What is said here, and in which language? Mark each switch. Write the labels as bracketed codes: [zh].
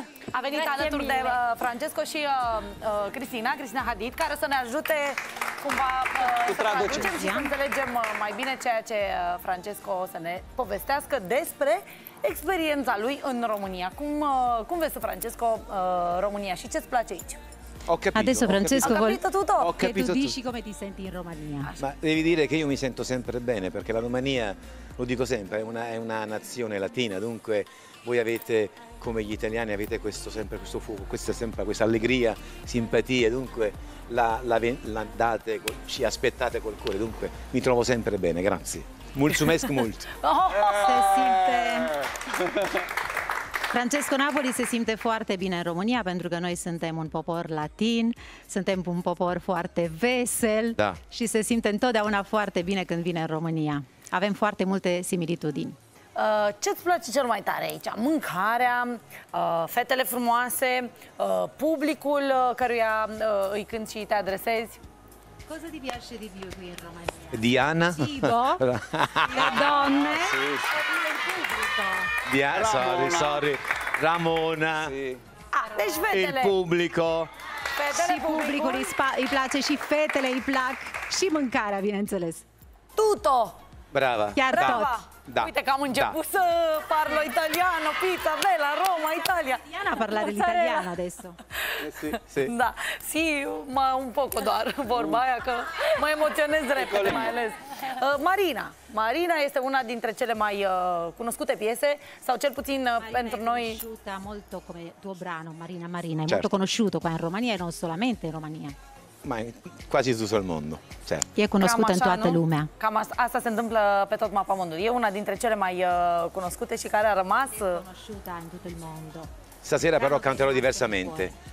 [ro] A venit alături de Francesco și Cristina, Cristina Hadid, care să ne ajute cumva să traducem și să înțelegem mai bine ceea ce Francesco o să ne povestească despre experiența lui în România. Cum vezi, Francesco, România și ce-ți place aici? [it] Ho capito, adesso Francesco, ho capito tutto. Ho capito, tu dici come ti senti in Romania. Ma devi dire che io mi sento sempre bene, perché la Romania, lo dico sempre, è una nazione latina, dunque voi avete, come gli italiani, avete questo, sempre questo fuoco, questa sempre questa allegria, simpatia, dunque la date, ci aspettate col cuore, dunque mi trovo sempre bene, grazie. [ro] Mulțumesc mult. Se simte. Francesco Napoli se simte foarte bine în România, pentru că noi suntem un popor latin, suntem un popor foarte vesel, da. Și se simte întotdeauna foarte bine când vine în România. Avem foarte multe similitudini. Ce-ți place cel mai tare aici? Mâncarea, fetele frumoase, publicul căruia îi cânt și te adresezi? [it] Cosa ti piace di più qui in Romania? Diana? Cibo? Le donne? Sì, sì. [en] Diana, sorry. Ramona. [it] Sì. [ro] Ah, deci fetele. [it] Il pubblico. [ro] Fetele, și publicul îi place, și fetele îi plac, și mâncarea, bineînțeles. [it] Tutto. Brava. [ro] Chiar da. Tot. Da. Uite că am început da. Să [it] parlo italiano, pizza, bella, Roma, Italia. Diana parla l'italiano adesso. Sì, sì. [ro] Da. [it] Sì, ma un poco [ro] doar vorba aia că mă emoționez repede, mai ales. Marina. Marina este una dintre cele mai cunoscute piese, sau cel puțin Marina pentru noi. [it] Marina è conosciuta molto come tuo brano, Marina, Marina. È certo. Molto conosciuto qua in Romania e non solamente in Romania. Ma quasi tutto il mondo, certo. E conosciuta in [ro] toată lumea. Cam asta se întâmplă pe tot mapa mondului. [it] E una [ro] dintre cele mai cunoscute și care a rămas. [it] E conosciuta in tutto il mondo. Stasera Diana, però canterò diversamente.